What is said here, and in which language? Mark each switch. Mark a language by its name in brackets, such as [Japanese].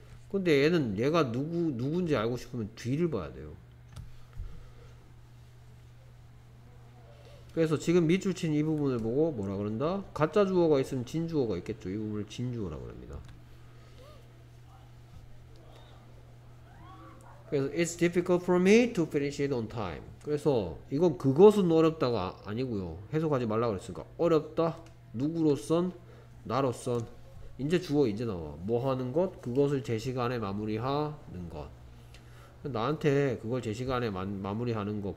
[Korean] 근데 얘는 얘가 누군지 알고 싶으면 뒤를 봐야 돼요. 그래서 지금 밑줄 친이 부분을 보고 뭐라 그런다? 가짜 주어가 있으면 진 주어가 있겠죠. 이 부분을 진 주어라고 합니다. [English] 그래서 It's difficult for me to finish it on time. [Korean] 그래서 이건 그것은 어렵다가 아니고요. 해석하지 말라고 그랬으니까 어렵다. 누구로선? 나로선. 이제 주어 이제 나와. 뭐 하는 것? 그것을 제 시간에 마무리하는 것. 나한테 그걸 제 시간에 마무리하는 것.